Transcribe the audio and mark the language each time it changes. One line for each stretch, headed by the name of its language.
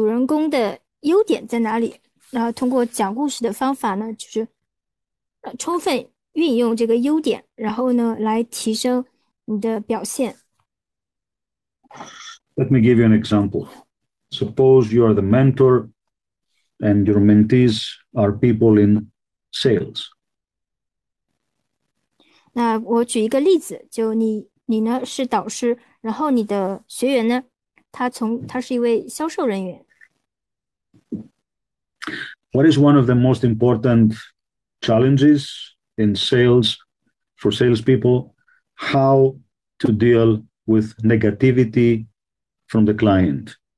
Chinese: 那我会去让他们发现这个就是主人公的优点在哪里。然后通过讲故事的方法呢，就是充分运用这个优点，然后呢来提升你的表现。
English: Let me give you an example. Suppose you are the mentor and your mentees are people in sales.
Chinese: 那我举一个例子，就你呢是导师，然后你的学员呢，他是一位销售人员。
English: What is one of the most important challenges in sales for salespeople? How to deal with negativity from the client?